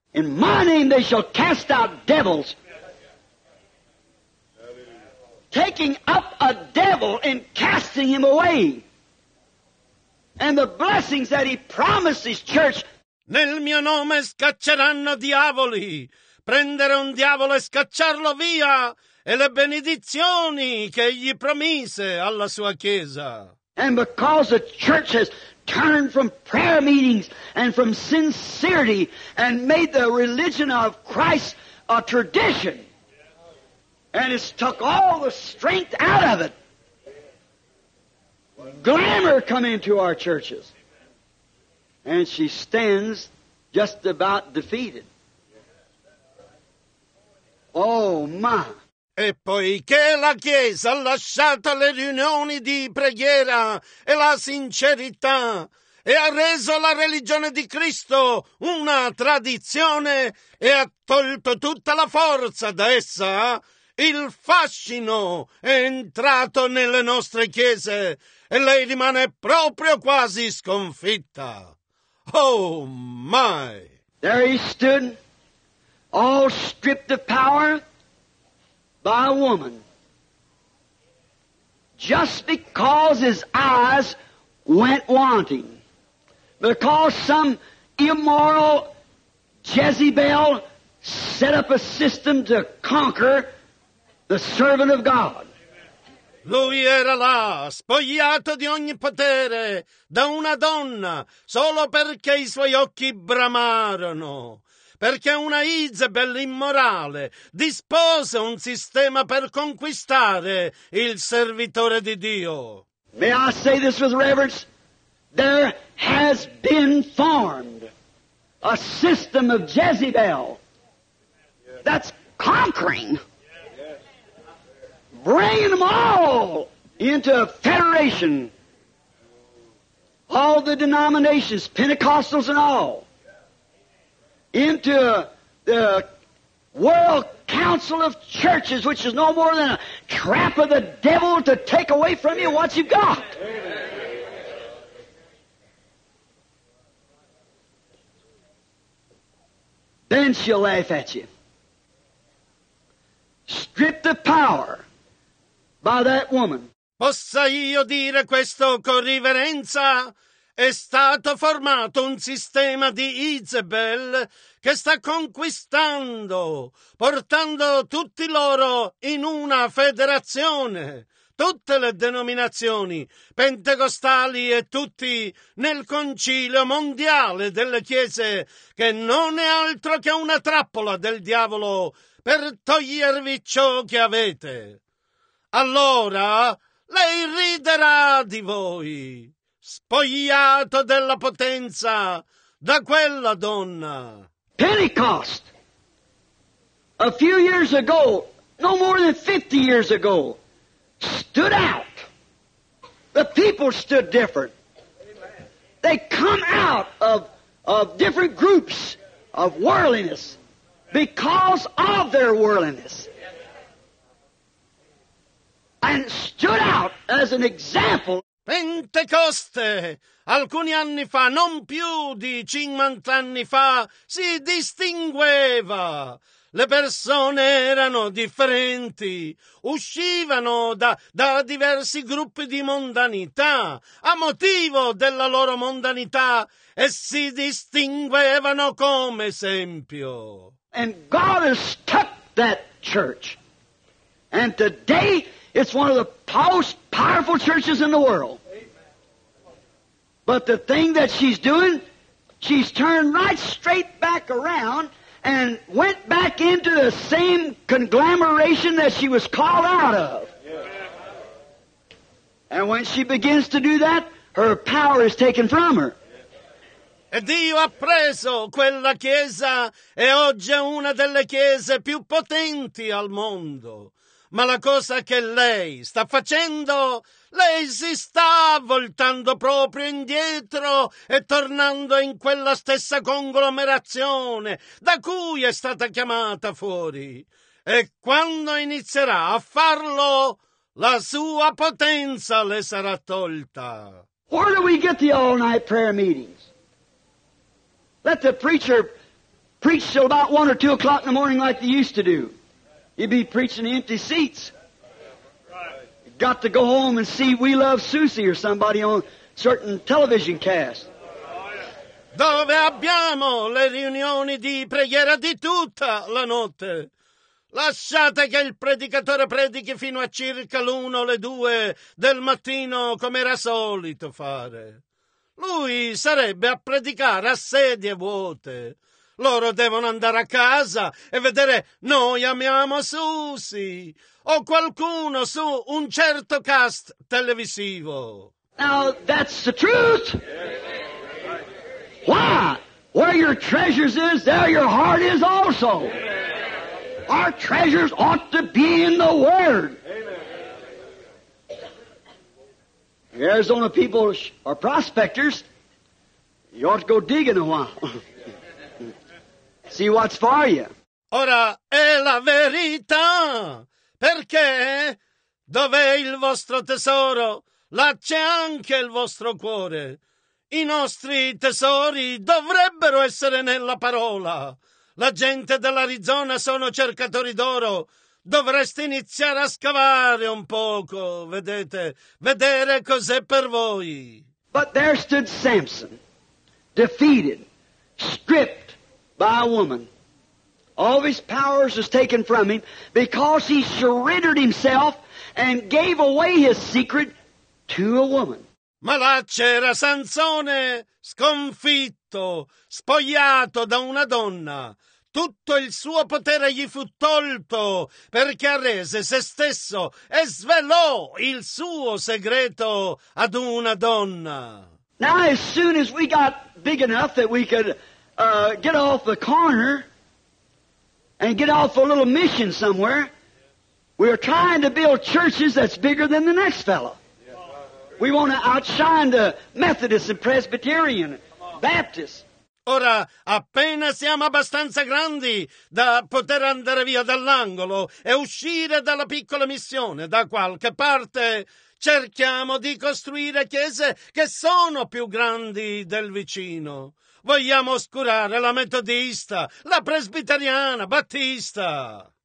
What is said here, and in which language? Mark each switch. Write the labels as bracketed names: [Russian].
[English] In my name they shall cast out devils. Taking up a devil and casting him away. And the blessings that he promised his church. [Italian] Nel mio nome scacceranno diavoli. Prendere un diavolo e scacciarlo via. E le benedizioni che gli promise alla sua chiesa. [English] And because the church has turned from prayer meetings and from sincerity and made the religion of Christ a tradition and it's took all the strength out of it. Glamour come into our churches. And she stands just about defeated. Oh my. [Italian] E poiché la Chiesa ha lasciato le riunioni di preghiera e la sincerità e ha reso la religione di Cristo una tradizione e ha tolto tutta la forza da essa, il fascino è entrato nelle nostre chiese e lei rimane proprio quasi sconfitta. [English] Oh my! There he stood, all stripped of power, by a woman, just because his eyes went wanting, because some immoral Jezebel set up a system to conquer the servant of God. [Italian] Lui era là, spogliato di ogni potere, da una donna, solo perché i suoi occhi bramarono. Perché una Isabel immorale dispose un sistema per conquistare il servitore di Dio. [English] May I say this with reverence? There has been formed a system of Jezebel that's conquering, bringing them all into a federation. all the denominations, Pentecostals and all, into the World Council of Churches, which is no more than a trap of the devil to take away from you what you've got. Then she'll laugh at you. Strip the power by that woman. [Italian] Possa io dire questo con riverenza? È stato formato un sistema di Isabel che sta conquistando, portando tutti loro in una federazione. Tutte le denominazioni pentecostali e tutti nel concilio mondiale delle chiese, che non è altro che una trappola del diavolo per togliervi ciò che avete. Allora lei riderà di voi, spogliato della potenza da quella donna. [English] Pentecost, a few years ago, no more than 50 years ago, stood out. The people stood different. They come out of different groups of worldliness because of their worldliness, and stood out as an example. [Italian] Pentecoste, alcuni anni fa, non più di 50 anni fa, si distingueva. Le persone erano differenti, uscivano da diversi gruppi di mondanità a motivo della loro mondanità e si distinguevano come esempio. [English] And God has stuck that church. And today it's one of the most powerful churches in the world. But the thing that she's doing, she's turned right straight back around and went back into the same conglomeration that she was called out of. And when she begins to do that, her power is taken from her. [Italian] E Dio ha preso quella chiesa e oggi è una delle chiese più potenti al mondo. Ma la cosa che lei sta facendo, lei si sta voltando proprio indietro e tornando in quella stessa conglomerazione da cui è stata chiamata fuori. E quando inizierà a farlo, la sua potenza le sarà tolta. [English] Where do we get the all-night prayer meetings? Let the preacher preach till about 1 or 2 o'clock in the morning like they used to do. He'd be preaching empty seats. Got to go home and see We Love Susie or somebody on certain television cast. [Italian] Dove abbiamo le riunioni di preghiera di tutta la notte? Lasciate che il predicatore predichi fino a circa l'uno o le due del mattino, come era solito fare. Lui sarebbe a predicare a sedie vuote. Loro devono andare a casa e vedere Noi Amiamo Susie o qualcuno su un certo cast televisivo. [English] Now, that's the truth. Why? Where your treasures is, there your heart is also. Our treasures ought to be in the Word. The Arizona people are prospectors. You ought to go digging a while. See what's for you. [Italian] Ora è la verità. Perché dov'è il vostro tesoro, là c'è anche il vostro cuore. I nostri tesori dovrebbero essere nella parola. La gente dell'Arizona sono cercatori d'oro. Dovreste iniziare a scavare un poco, vedete, vedere cos'è per voi. [English] But there stood Samson, defeated, stripped by a woman. All of his powers was taken from him because he surrendered himself and gave away his secret to a woman. [Italian] Ma là c'era Sansone, sconfitto, spogliato da una donna. Tutto il suo potere gli fu tolto perché arrese se stesso e svelò il suo segreto ad una donna. [English] Now, as soon as we got big enough that we could get off the corner and get off a little mission somewhere, we are trying to build churches that's bigger than the next fellow. We want to outshine the Methodists and Presbyterian, Baptists. [Italian] Ora, appena siamo abbastanza grandi da poter andare via dall'angolo e uscire dalla piccola missione da qualche parte, cerchiamo di costruire chiese che sono più grandi del vicino. Vogliamo oscurare la metodista, la presbiteriana, battista.